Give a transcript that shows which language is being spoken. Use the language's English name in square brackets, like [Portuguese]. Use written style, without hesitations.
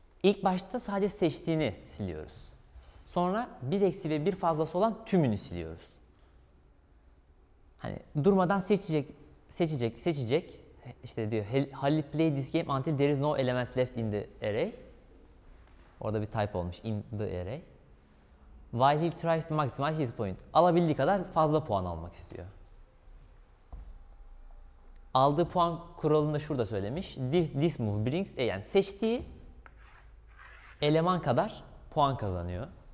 [Turkish] İlk başta sadece seçtiğini siliyoruz. Sonra bir eksi ve bir fazlası olan tümünü siliyoruz. Hani durmadan seçecek. İşte diyor Halil [English] play this game until there is no elements left in the array. [Turkish] Orada bir type olmuş [English] in the array. While he tries to maximize his point. [Turkish] Alabildiği kadar fazla puan almak istiyor. Aldığı puan kuralını da şurada söylemiş. [English] This move brings, [Turkish] yani seçtiği eleman kadar puan kazanıyor.